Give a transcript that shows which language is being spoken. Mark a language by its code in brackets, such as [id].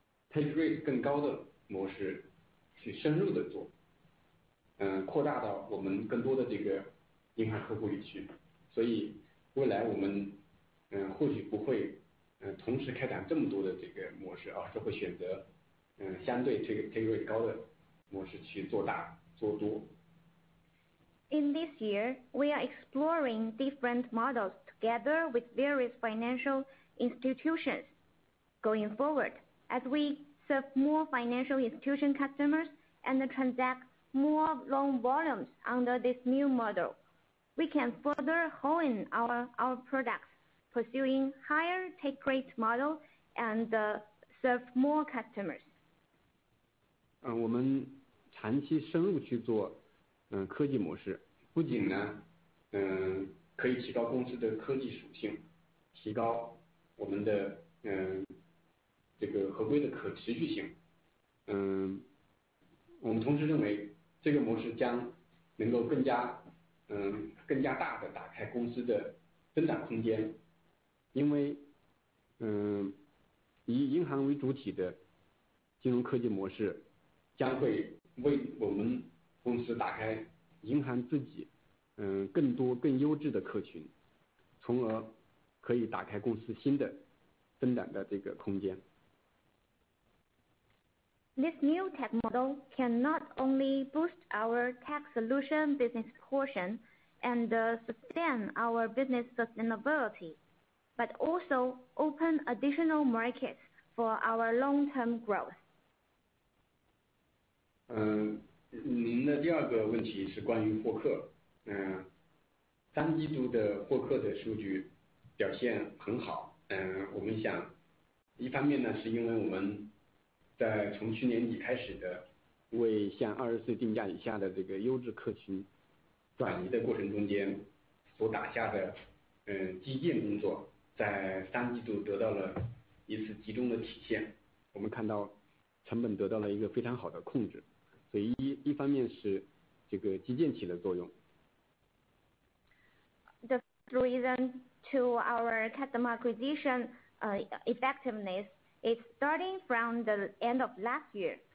[zh] take rate 更高的模式去深入的做，扩大到我们更多的这个银行客户里去。所以未来我们或许不会同时开展这么多的这个模式，而是会选择相对 take rate 高的模式去做大做多。 [en] In this year, we are exploring different models together with various financial institutions. Going forward, as we serve more financial institution customers and transact more loan volumes under this new model, we can further hone our products, pursuing higher take rate model and serve more customers. [zh] 我们长期深入去做科技模式，不仅呢可以提高公司的科技属性，提高我们的这个合规的可持续性，我们同时认为这个模式将能够更加大的打开公司的增长空间。因为以银行为主体的金融科技模式将会为我们公司打开银行自己更多更优质的客群，从而可以打开公司新的增长的这个空间。 [en] This new tech model can not only boost our tech solution business portion and sustain our business sustainability, but also open additional markets for our long-term growth. [zh] 您的第二个问题是关于获客，三季度的获客的数据表现很好，我们想一方面呢是因为我们在从去年底开始的为向24定价以下的这个优质客群转移的过程中间所打下的基建工作在三季度得到了一次集中的体现，我们看到成本得到了一个非常好的控制，所以一方面是这个基建起了作用。 [en] The reason to our customer acquisition effectiveness is starting from the end of last year.